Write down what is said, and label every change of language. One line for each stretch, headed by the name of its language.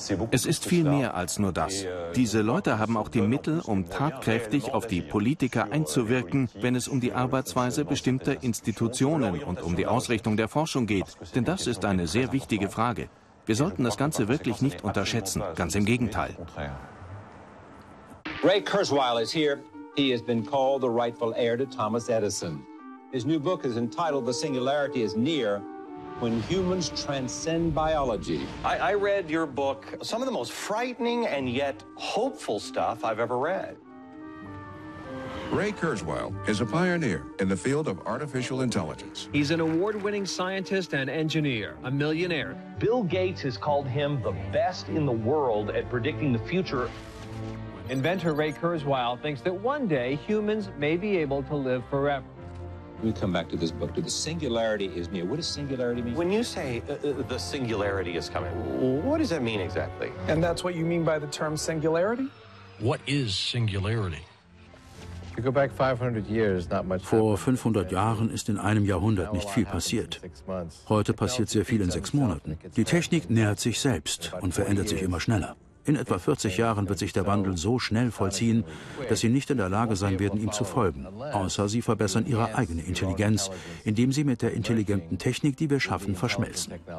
German: Es ist viel mehr als nur das. Diese Leute haben auch die Mittel, um tatkräftig auf die Politiker einzuwirken, wenn es um die Arbeitsweise bestimmter Institutionen und um die Ausrichtung der Forschung geht. Denn das ist eine sehr wichtige Frage. Wir sollten das Ganze wirklich nicht unterschätzen, ganz im Gegenteil.
English: Ray Kurzweil is here. He has been called the rightful heir to Thomas Edison. His new book is entitled The Singularity is Near. When humans transcend biology. I read your book, some of the most frightening and yet hopeful stuff I've ever read. Ray Kurzweil is a pioneer in the field of artificial intelligence. He's an award-winning scientist and engineer, a millionaire. Bill Gates has called him the best in the world at predicting the future. Inventor Ray Kurzweil thinks that one day humans may be able to live forever. We come back to this book. The singularity is near. What does singularity mean? When you say the singularity is coming, what does that mean exactly? And that's what you mean by the term singularity? What is singularity? You go back 500 years, not much.
German: Vor 500 Jahren ist in einem Jahrhundert nicht viel passiert. Heute passiert sehr viel in 6 Monaten. Die Technik nähert sich selbst und verändert sich immer schneller. In etwa 40 Jahren wird sich der Wandel so schnell vollziehen, dass sie nicht in der Lage sein werden, ihm zu folgen, außer sie verbessern ihre eigene Intelligenz, indem sie mit der intelligenten Technik, die wir schaffen, verschmelzen.